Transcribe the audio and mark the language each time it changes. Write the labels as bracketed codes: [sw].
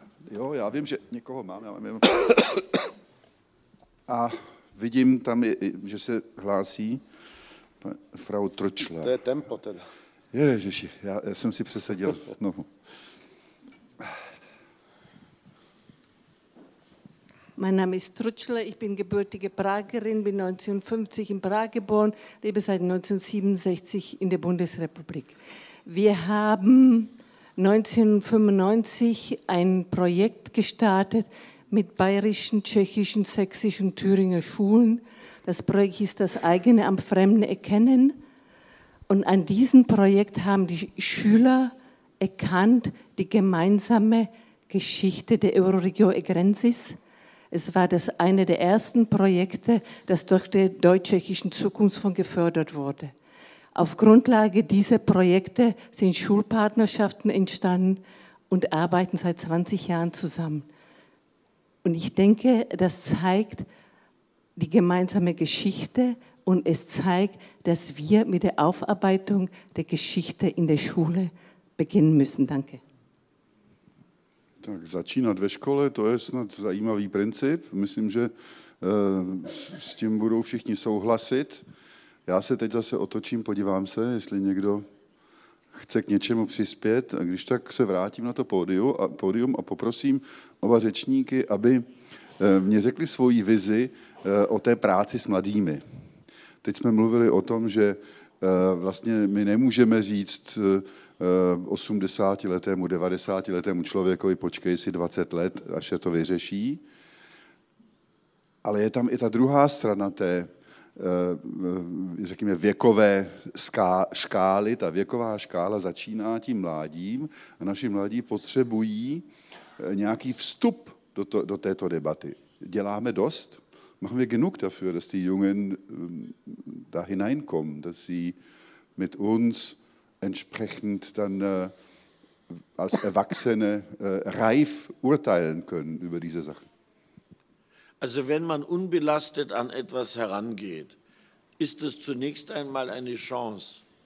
[cs] Jo, já vím, že někoho mám. Já mám jenom... A vidím tam, že se hlásí frau Tročler. To je tempo teda. Ježiši, já jsem si přesadil nohu. [de] Mein Name ist Trutschle, ich bin gebürtige Pragerin, bin 1950 in Prag geboren, lebe seit 1967 in der Bundesrepublik. Wir haben 1995 ein Projekt gestartet mit bayerischen, tschechischen, sächsischen, Thüringer Schulen. Das Projekt hieß Das eigene am Fremden erkennen. Und an diesem Projekt haben die Schüler erkannt die gemeinsame Geschichte der Euroregion Egrensis. Es war das eine der ersten Projekte, das durch den Deutsch-Tschechischen Zukunftsfonds gefördert wurde. Auf Grundlage dieser Projekte sind Schulpartnerschaften entstanden und arbeiten seit 20 Jahren zusammen. Und ich denke, das zeigt die gemeinsame Geschichte und es zeigt, dass wir mit der Aufarbeitung der Geschichte in der Schule beginnen müssen. Danke. [cs] Tak začínat ve škole, to je snad zajímavý princip. Myslím, že s tím budou všichni souhlasit. Já se teď zase otočím, podívám se, jestli někdo chce k něčemu přispět. A když tak se vrátím na to pódium a poprosím oba řečníky, aby mě řekli svoji vizi o té práci s mladými. Teď jsme mluvili o tom, že vlastně my nemůžeme říct 80-letému, 90-letému člověkovi, počkej si 20 let, až se to vyřeší. Ale je tam i ta druhá strana té, řekněme, věkové škály, ta věková škála začíná tím mládím a naši mladí potřebují nějaký vstup do této debaty. Děláme dost? [de] Machen wir genug dafür, dass die Jungen da hineinkommen, dass sie mit uns entsprechend dann als Erwachsene reif urteilen können über diese Sachen. Also wenn man unbelastet an etwas herangeht, ist es zunächst einmal eine Chance.